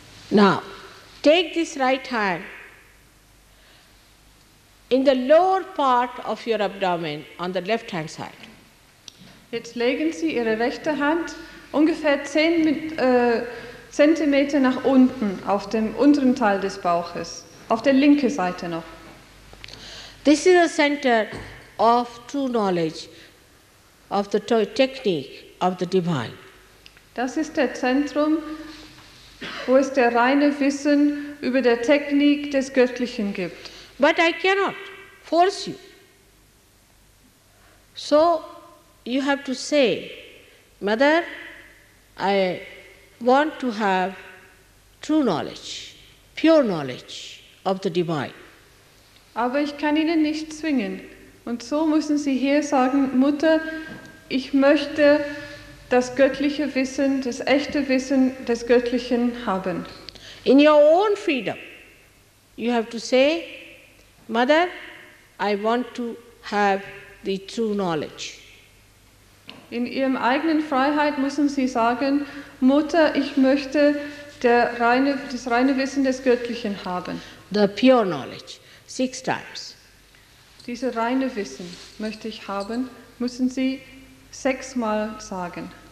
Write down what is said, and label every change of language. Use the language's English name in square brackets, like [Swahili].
[English] Now, take this right hand in the lower part of your abdomen on the left hand side. [German] Jetzt legen Sie Ihre rechte Hand ungefähr 10 Zentimeter nach unten auf dem unteren Teil des Bauches, auf der linken Seite noch. [English] This is the center of true knowledge, of the technique of the divine. [German] Das ist der Zentrum, wo es der reine Wissen über der Technik des Göttlichen gibt. [English] But I cannot force you. So you have to say, Mother, I want to have true knowledge, pure knowledge of the Divine. [German] Aber ich kann Ihnen nicht zwingen. Und so müssen Sie hier sagen, Mutter, ich möchte das göttliche Wissen, das echte Wissen des Göttlichen haben. [English] In your own freedom, you have to say, Mother, I want to have the true knowledge. [German] In Ihrem eigenen Freiheit müssen Sie sagen, Mutter, ich möchte das reine Wissen des Göttlichen haben. [English] The pure knowledge, six times. [German] Dieses reine Wissen möchte ich haben, müssen Sie sechsmal sagen.